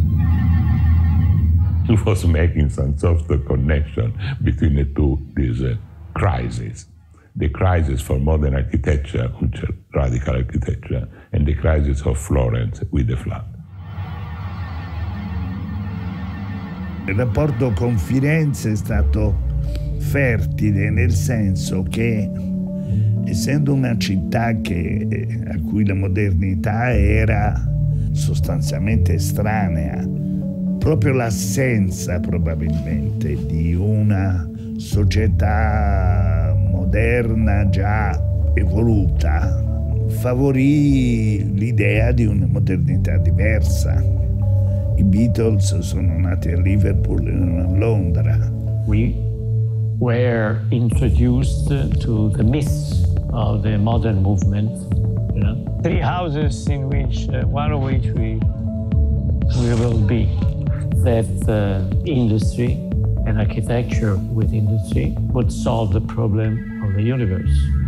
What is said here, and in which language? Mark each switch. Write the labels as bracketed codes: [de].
[en] I was making some sort of connection between the two, these crises. The crisis for modern architecture, which is radical architecture, and the crisis of Florence with the flood. [it] Il rapporto con Firenze è stato fertile nel senso che, essendo una città che, a cui la modernità era sostanzialmente estranea, proprio l'assenza probabilmente di una società moderna già evoluta favorì l'idea di una modernità diversa. I Beatles sono nati a Liverpool e non a Londra. [en] We were introduced to the myths of the modern movement. You know? Three houses in which, one of which we will be. That industry and architecture with industry would solve the problem of the universe.